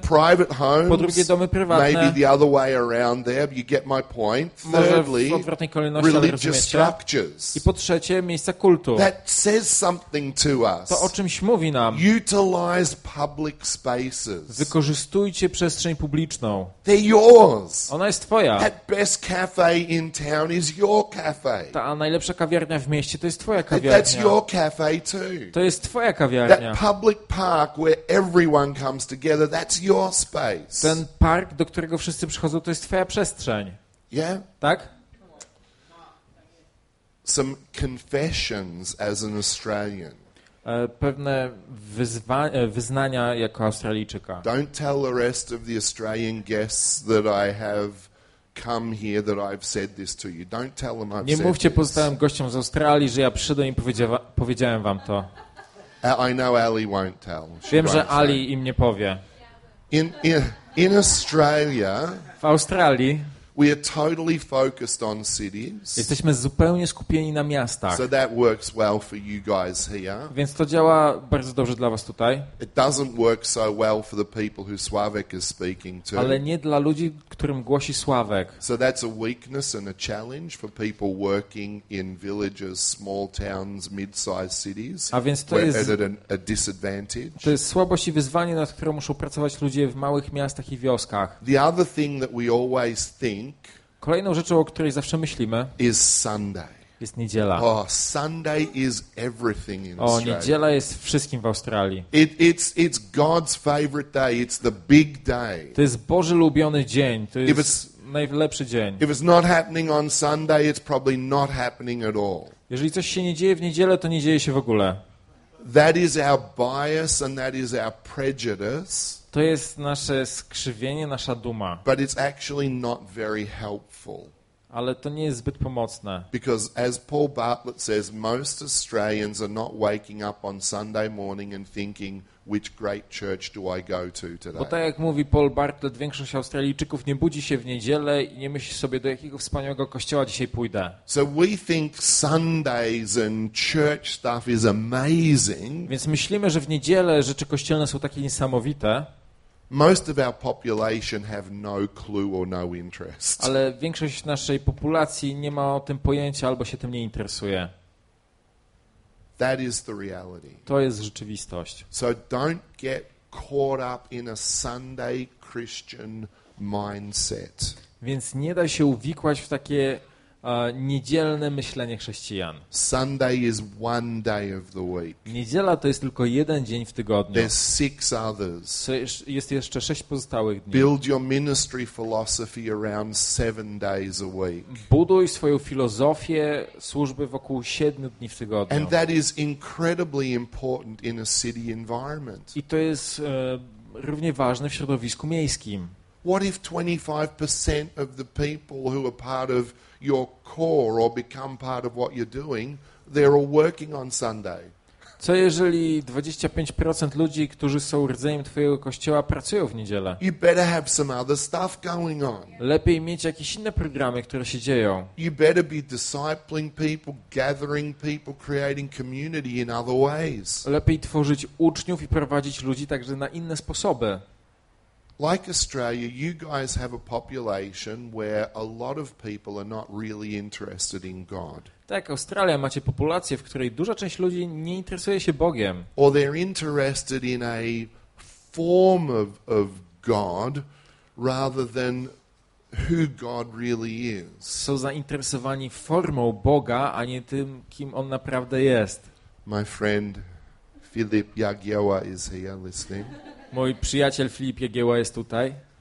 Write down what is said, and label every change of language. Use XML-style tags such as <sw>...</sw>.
<en>private homes,</en> <pl>po drugie domy prywatne,</pl> <en>maybe the other way around there, but you get my point. Thirdly,</en> <pl>może w odwrotnej kolejności,</pl> <en>religious structures.</en> <pl>I po trzecie miejsca kultu.</pl> <en>That says something to us.</en> <pl>To o czymś mówi nam.</pl> <en>Utilize public spaces.</en> <pl>Wykorzystujcie przestrzeń publiczną.</pl> <en>They're yours.</en> <pl>Ona jest twoja.</pl> <en>That best cafe in town is your cafe.</en> <pl>Ta najlepsza kawiarnia w mieście to jest twoja kawiarnia.</pl> <en>That's your cafe too.</en> <pl>To jest twoja kawiarnia.</pl> <en>That public park where everyone comes together, that's your space.</en> <pl>Ten park, do którego wszyscy przychodzą, to jest twoja przestrzeń.</pl> <en>Yeah?</en> <pl>Tak?</pl> <en>Some confessions as an Australian.</en> <pl>Pewne wyznania jako Australijczyka.</pl> <en>Don't tell the rest of the Australian guests that I have come here that I've said this to you. Don't tell them I've said this.</en> <pl>Nie mówcie pozostałym gościom z Australii, że ja przyszedłem i powiedziałem wam to.</pl> <en>I know Ali won't tell.</en> <pl>Wiem, że Ali im nie powie.</pl> <en>In Australia,</en> <pl>w Australii,</pl> <en>we are totally focused on cities.</en> <pl>Jesteśmy zupełnie skupieni na miastach.</pl> <en>So that works well for you guys here.</en> <pl>Więc to działa bardzo dobrze dla was tutaj.</pl> <en>It doesn't work so well for the people who Sławek is speaking to.</en> <pl>Ale nie dla ludzi, którym głosi Sławek.</pl> <en>So that's a weakness and a challenge for people working in villages, small towns, mid-sized cities.</en> <pl>A więc to jest</pl> <en>a disadvantage.</en> <pl>To jest słabość i wyzwanie, nad którym muszą pracować ludzie w małych miastach i wioskach.</pl> <en>The other thing that we always think.</en> <pl>Kolejną rzeczą, o której zawsze myślimy,</pl> <en>is Sunday.</en> <pl>Jest niedziela.</pl> <en>Oh, Sunday is everything in Australia.</en> <pl>O, niedziela jest wszystkim w Australii.</pl> <en>It's God's favorite day. It's the big day.</en> <pl>To jest Boży ulubiony dzień. To jest najlepszy dzień.</pl> <en>If it's not happening on Sunday, it's probably not happening at all.</en> <pl>Jeżeli coś się nie dzieje w niedzielę, to nie dzieje się w ogóle.</pl> <en>That is our bias and that is our prejudice.</en> <pl>To jest nasze skrzywienie, nasza duma.</pl> <en>But it's actually not very helpful.</en> <pl>Ale to nie jest zbyt pomocne.</pl> <en>Because as Paul Bartlett says, most Australians are not waking up on Sunday morning and thinking, which great church do I go to today?</en> <pl>Bo tak jak mówi Paul Bartlett, większość Australijczyków nie budzi się w niedzielę i nie myśli sobie, do jakiego wspaniałego kościoła dzisiaj pójdę.</pl> <en>So we think Sundays and church stuff is amazing.</en> <pl>Więc myślimy, że w niedzielę rzeczy kościelne są takie niesamowite.</pl> <en>Most of our population have no clue or no interest.</en> <pl>Ale większość naszej populacji nie ma o tym pojęcia albo się tym nie interesuje.</pl> <en>That is the reality.</en> <pl>To jest rzeczywistość.</pl> <en>So don't get caught up in a Sunday Christian mindset.</en> <pl>Więc nie da się uwikłać w takie niedzielne myślenie chrześcijan.</pl> <en>Sunday is one day of the week.</en> <pl>Niedziela to jest tylko jeden dzień w tygodniu.</pl> <en>There's six others.</en> <pl>Jest jeszcze sześć pozostałych dni.</pl> <en>Build your ministry philosophy around seven days a week.</en> <pl>Buduj swoją filozofię służby wokół siedmiu dni w tygodniu.</pl> <en>And that is incredibly important in a city environment.</en> <pl>I to jest równie ważne w środowisku miejskim.</pl> <en>What if 25% of the people who are part of your core or become part of what you're doing, they're all working on Sunday?</en> <pl>Co jeżeli 25% ludzi, którzy są rdzeniem twojego kościoła, pracują w niedzielę?</pl> <en>You better have some other stuff going on.</en> <pl>Lepiej mieć jakieś inne programy, które się dzieją.</pl> <en>You better be discipling people, gathering people, creating community in other ways.</en> <pl>Lepiej tworzyć uczniów i prowadzić ludzi także na inne sposoby.</pl> <en>Like Australia, you guys have a population where a lot of people are not really interested in God.</en> <pl>Tak, Australia, macie populację, w której duża część ludzi nie interesuje się Bogiem.</pl> <en>Or they're interested in a form of God rather than who God really is.</en> <pl>Są zainteresowani formą Boga, a nie tym, kim on naprawdę jest.</pl> <en>My friend Filip Jagiełła is here listening.</en> <pl>Mój przyjaciel Filip Jagiełła jest tutaj.</pl>